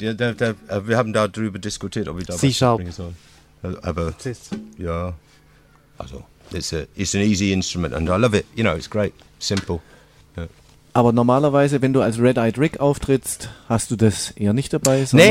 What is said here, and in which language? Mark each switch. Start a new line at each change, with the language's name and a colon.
German: Wir haben darüber diskutiert, ob ich da was bringen soll. Aber, ja, also,
English: it's an easy instrument and I love it. You know, it's great, simple.
German: Aber normalerweise, wenn du als Red Eyed Rick auftrittst, hast du das eher nicht dabei?